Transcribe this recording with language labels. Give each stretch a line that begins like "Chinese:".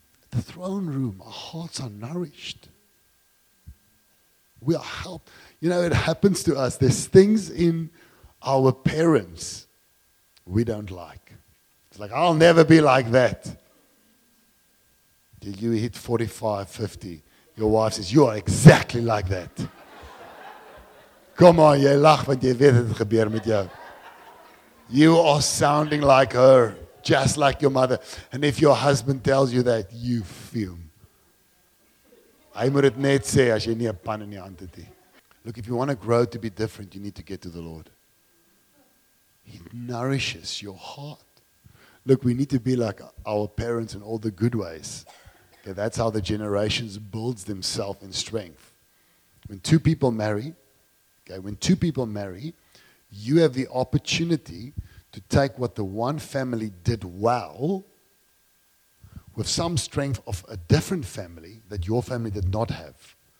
English: The throne room, our hearts are nourished. We are helped. You know, it happens to us. There's things in our parents we don't like. It's like, I'll never be like that. Did you hit 45, 50? Your wife says, you are exactly like that. Come on,
Afrikaans: jy lach, want jy weet het gebeur met jou.
English: You are sounding like her. Just like your mother. And if your husband tells you that, you fume.
Afrikaans: Hy moet dit net sê as jy nie 'n pan in die hand het nie.
English: Look, if you want to grow to be different, you need to get to the Lord. He nourishes your heart. Look, we need to be like our parents in all the good ways. Okay, that's how the generations builds themselves in strength. When two people marry, okay, when two people marry, you have the opportunity to take what the one family did well with some strength of a different family that your family did not have.